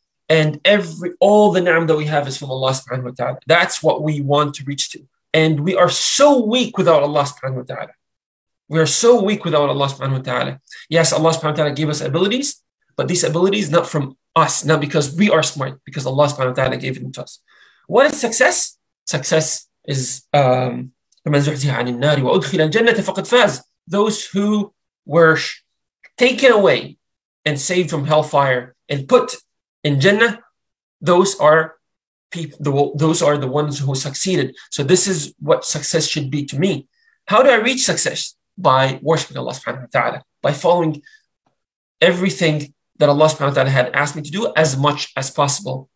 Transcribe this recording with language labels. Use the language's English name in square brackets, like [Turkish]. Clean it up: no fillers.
[English] And all the ni'am that we have is from Allah subhanahu wa ta'ala. That's what we want to reach to. And we are so weak without Allah subhanahu wa ta'ala. We are so weak without Allah subhanahu wa ta'ala. Yes, Allah subhanahu wa ta'ala gave us abilities, but these abilities not from us, not because we are smart, because Allah subhanahu wa ta'ala gave them to us. What is success? Success is [Arabic] فَمَنْ زُحْزِهَ عَنِ النَّارِ وَأُدْخِلَ الْجَنَّةِ فَقَدْ فَازِ. [English] Those who were taken away and saved from hellfire and put in Jannah, those are the ones who succeeded. So this is what success should be to me. How do I reach success? By worshiping Allah subhanahu wa ta'ala, by following everything that Allah subhanahu wa ta'ala had asked me to do as much as possible.